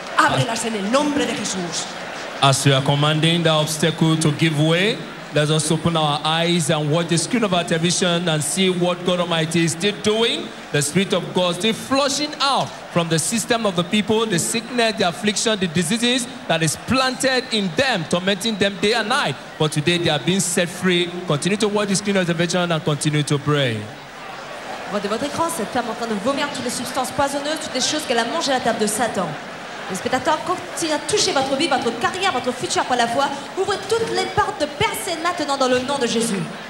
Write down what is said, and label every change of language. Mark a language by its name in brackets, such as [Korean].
[Spanish] Ábrelas en el nombre de Jesús. [English] As we are commanding the obstacle to give way, let us open our eyes and watch the screen of our television and see what God Almighty is still doing. The Spirit of God is still flushing out from the system of the people, the sickness, the affliction, the diseases that is planted in them, tormenting them day and night. But today they are being set free. Continue to watch the screen of the television and continue to pray. [French] Regardez votre écran, cette femme en train de vomir toutes les substances poisonneuses, toutes les choses qu'elle a mangées à la table de Satan. Les spectateurs continuent à toucher votre vie, votre carrière, votre futur par la foi. Ouvrez toutes les portes de percée maintenant dans le nom de Jésus.